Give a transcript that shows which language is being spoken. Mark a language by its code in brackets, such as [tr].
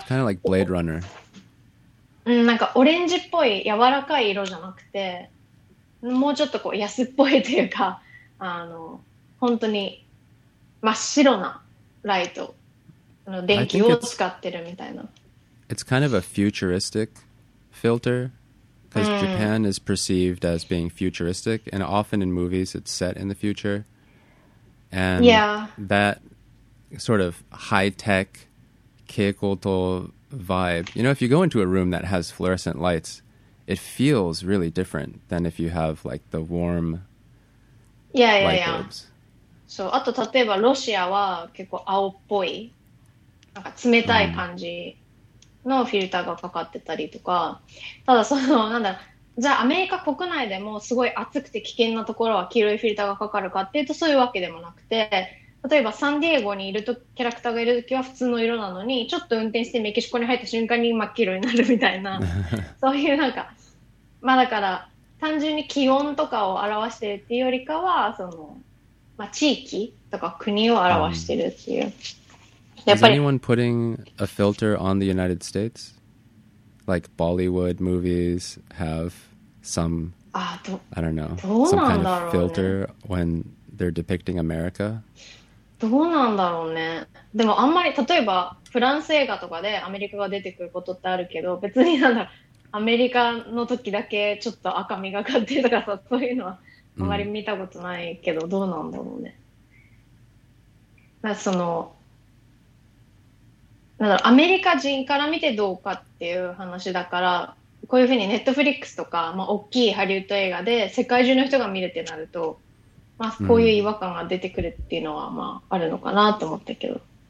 [en] kind of like Blade Runner、 [ja] うん、なんかオレンジっぽい柔らかい色じゃなくて、もうちょっとこう安っぽいというか、あの本当に真っ白なライト、電気を使ってるみたいな。 [en] It's kind of a futuristic filter, because Japan is perceived as being futuristic, and often in movies it's set in the future. And that sort of high-tech 蛍光灯 vibe. You know, if you go into a room that has fluorescent lights, it feels really different than if you have like the warm light bulbs. [ja] So, あと例えばロシアは結構青っぽい、なんか冷たい感じのフィルターがかかってたりとか、ただそのなんだ、じゃあアメリカ国内でもすごい暑くて危険なところは黄色いフィルターがかかるかっていうとそういうわけでもなくて、例えばサンディエゴにいるとキャラクターがいるときは普通の色なのに、ちょっと運転してメキシコに入った瞬間に真っ黄色になるみたいな、そういうなんか、まあだから単純に気温とかを表しているっていうよりかは、その、まあ、地域とか国を表しているっていう。 [en] Is anyone putting a filter on the United States? Like Bollywood movies have some, I don't know, some kind of filter when they're depicting America? [ja] どうなんだろうね。でもあんまり、例えばフランス映画とかでアメリカが出てくることってあるけど、別になんだろう、アメリカの時だけちょっと赤みがかってとかさ、そういうのはあまり見たことないけど、どうなんだろうね。その、なんだろう、アメリカ人から見てどうかっていう話だから、こういうふうにネットフリックスとか、まあ、大きいハリウッド映画で世界中の人が見るってなると、まあ、こういう違和感が出てくるっていうのは、まあ、あるのかなと思ったけど。